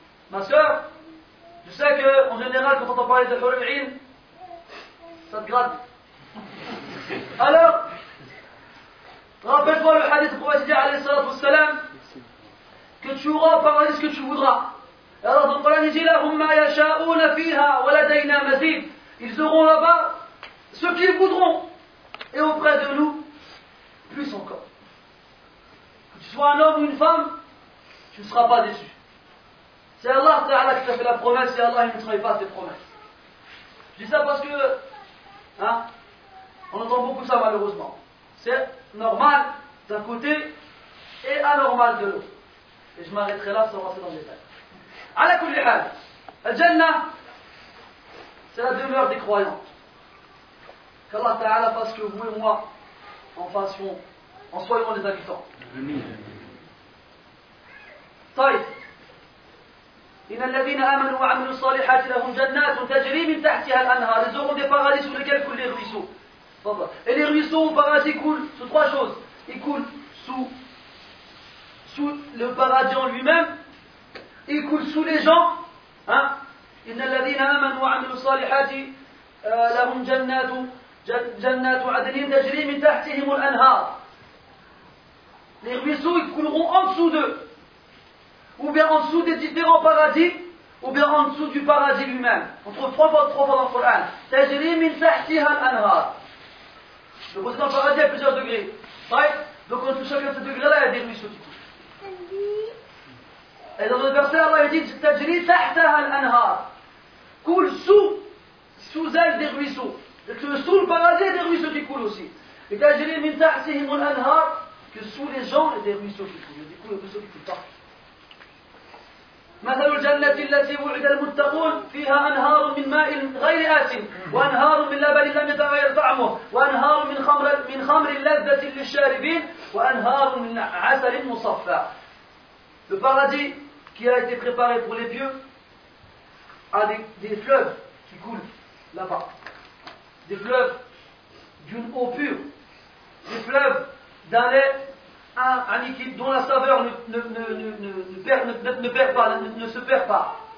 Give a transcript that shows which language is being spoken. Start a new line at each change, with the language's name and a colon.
French: Ma sœur, je sais qu'en général, quand on entend parler de la femme, ça te gratte. Alors, rappelle-toi le hadith du prophète dit alayhi salatu wassalam que tu auras au paradis ce que tu voudras. Et alors, donc, Allah dit
Arabic: لهم ما يشاءون فيها ولدينا مزيد.
French: Ils auront là-bas ce qu'ils voudront. Et auprès de nous, plus encore. Que tu sois un homme ou une femme, tu ne seras pas déçu. C'est Allah Ta'ala qui t'a fait la promesse et Allah ne trahit pas ses promesses. Je dis ça parce que, hein, on entend beaucoup ça malheureusement. C'est normal d'un côté et anormal de l'autre. Et je m'arrêterai là sans rentrer dans les détails.
Arabic: À la kulli hal,
French: al-Jannah, c'est la demeure des croyants. Qu'Allah Ta'ala fasse que vous et moi en fassions, en soyons les habitants. Taïf.
Arabic: إن الذين آمنوا وعملوا الصالحات لهم جنات تجري من تحتها الأنهار.
French: Ils auront des paradis sur lesquels coulent les ruisseaux. Et les ruisseaux au paradis coulent sous trois choses. Ils coulent sous le paradis en lui-même. Ils coulent sous les gens. Hein?
Arabic: إن الذين آمنوا وعملوا الصالحات لهم جنات عدن تجري من تحتهم الأنهار.
French: Les ruisseaux ils couleront en dessous d'eux. Ou bien en dessous des différents paradis, ou bien en dessous du paradis lui-même. On trouve trois fois dans le Coran.
Arabic: Tajri min tahtiha al-anhar.
French: Le côté dans le paradis a plusieurs degrés.
English: Right?
French: Donc en touchant chacun de ces degrés-là, il y a des ruisseaux qui coulent. Et dans le verset, Allah dit
Arabic: Tajri tahtiha al-anhar.
French: Coule sous elle des ruisseaux. Que sous le paradis, il y a des ruisseaux qui coulent aussi. Et
Arabic: Tajri min tahtihim al-anhar.
French: Que sous les gens, il y a des ruisseaux qui coulent. Du coup, les ruisseaux qui coulent partout.
Arabic: مثل الجنة التي وعد المتقون فيها أنهار من ماء غير آسٍ وأنهار من لبن لم يتغير طعمه وأنهار من خمر لذة للشاربين وأنهار من عسل مصفى.
French: Le paradis qui a été préparé pour les pieux a des fleuves qui coulent là-bas. Des fleuves d'une eau pure. Des fleuves d'un lait un liquide dont la saveur ne se perd pas.